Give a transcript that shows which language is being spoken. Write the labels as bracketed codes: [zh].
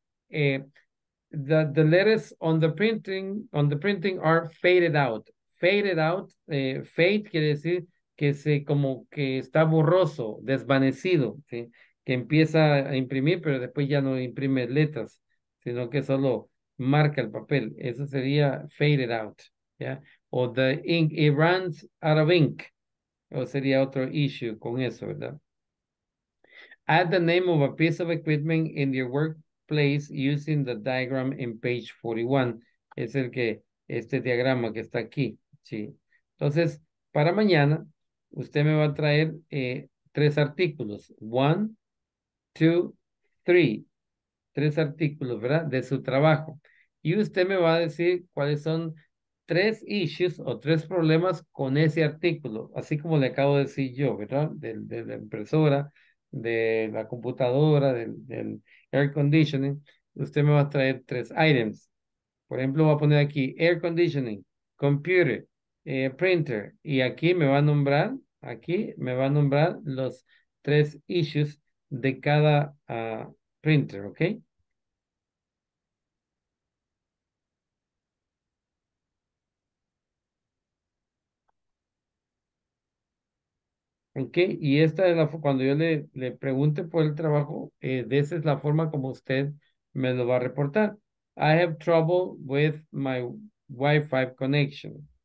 [en] The letters on the printing are faded out. [es] Faded out, fade quiere decir que se como que está borroso, desvanecido, ¿sí? Que empieza a imprimir, pero después ya no imprime letras, sino que solo marca el papel. Eso sería faded out, ¿ya? [en] O the ink, it runs out of ink. [es] O sería otro issue con eso, ¿verdad? [en] Add the name of a piece of equipment in your workplace using the diagram in page 41. [es] Es el que, este diagrama que está aquí, ¿sí? Entonces, para mañana, usted me va a traer tres artículos. 1, 2, 3. Tres artículos, ¿verdad? De su trabajo. Y usted me va a decir cuáles son tres issues o tres problemas con ese artículo. Así como le acabo de decir yo, ¿verdad? De la impresora, de la computadora, del air conditioning, usted me va a traer tres items. Por ejemplo, voy a poner aquí air conditioning, computer, printer, y aquí me va a nombrar los tres issues de cada printer, ¿ok? Ok, y esta es la, cuando yo le pregunte por el trabajo, esa es la forma como usted me lo va a reportar. [en] I have trouble with my Wi-Fi connection.